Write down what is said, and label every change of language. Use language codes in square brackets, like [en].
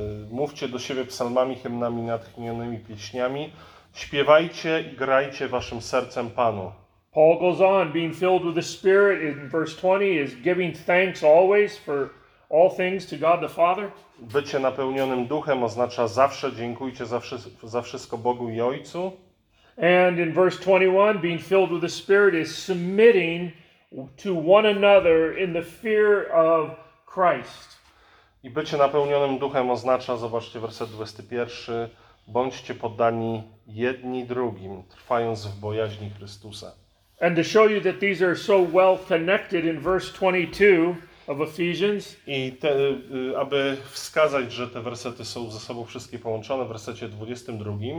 [pl] Mówcie do siebie psalmami, hymnami, natchnionymi pieśniami. Śpiewajcie i grajcie waszym sercem Panu. [en] Paul goes on, being filled with the Spirit in verse 20 is giving thanks always for all things to God the Father. [pl] Bycie napełnionym duchem oznacza zawsze dziękujcie za wszystko Bogu i Ojcu. [en] And in verse 21, being filled with the Spirit is submitting to one another in the fear of Christ. [pl] I bycie napełnionym duchem oznacza, zobaczcie werset 21, bądźcie poddani jedni drugim, trwając w bojaźni Chrystusa. [en] And to show you that these are so well connected in verse 22 of Ephesians. [pl] I te, aby wskazać, że te wersety są ze sobą wszystkie połączone, w wersecie 22.